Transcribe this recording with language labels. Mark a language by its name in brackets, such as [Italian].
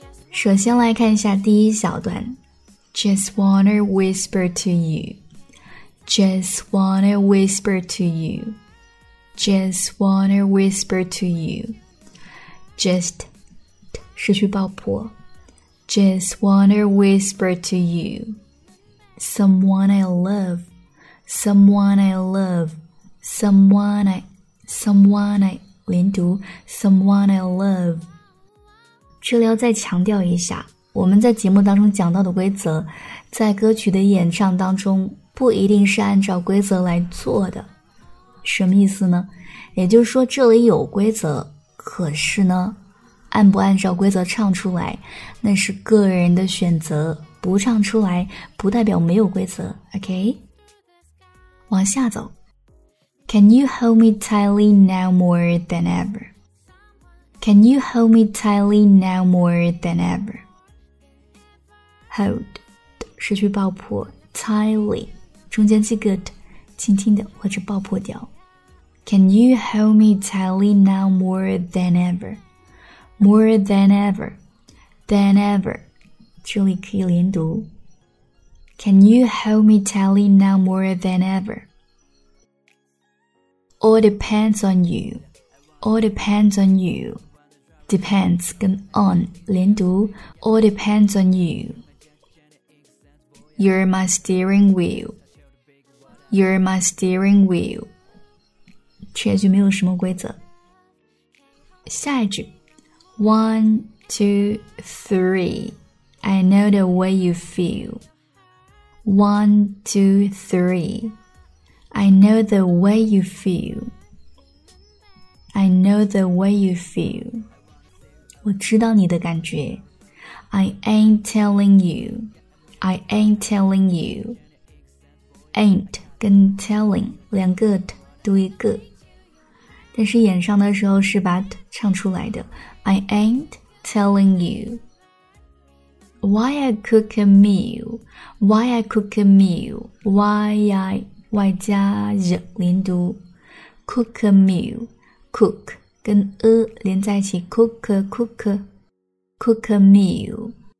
[English] 首先来看一下第一小段， Just wanna whisper to you, Just wanna whisper to you, Just wanna whisper to you, Just [Chinese] 失去爆破， [English] Just wanna whisper to you, Someone I love, Someone I love, Someone I [Chinese] 连读， [English] Someone I love。 [Chinese] 这里要再强调一下，我们在节目当中讲到的规则，在歌曲的演唱当中不一定是按照规则来做的。什么意思呢？也就是说这里有规则，可是呢按不按照规则唱出来那是个人的选择，不唱出来不代表没有规则。 [English] OK， [Chinese] 往下走， [English] Can you hold me tightly now more than everCan you hold me tightly now more than ever? [Chinese] Hold 失去爆破， tightly 中间记个 t 轻轻的或者爆破掉。 [English] Can you hold me tightly now more than ever? More than ever, than ever [Chinese] 这里可以连读。 [English] Can you hold me tightly now more than ever? All depends on you, all depends on youDepends 跟 on 连读， All depends on you. You're my steering wheel. You're my steering wheel. [Chinese] 这句没有什么规则。下一句， [English] 1, 2, 3, I know the way you feel. 1, 2, 3, I know the way you feel. I know the way you feel. [Chinese] 我知道你的感觉。 [English] I ain't telling you, I ain't telling you. [Chinese] Ain't 跟 telling 两个 t 读一个，但是演唱的时候是把 t 唱出来的。 [English] I ain't telling you. Why I cook a meal, Why I cook a meal, Why I [Chinese] 外加 z 连读， [English] Cook a meal, Cook跟 a 连在一起， cook a, cook a, cook a meal.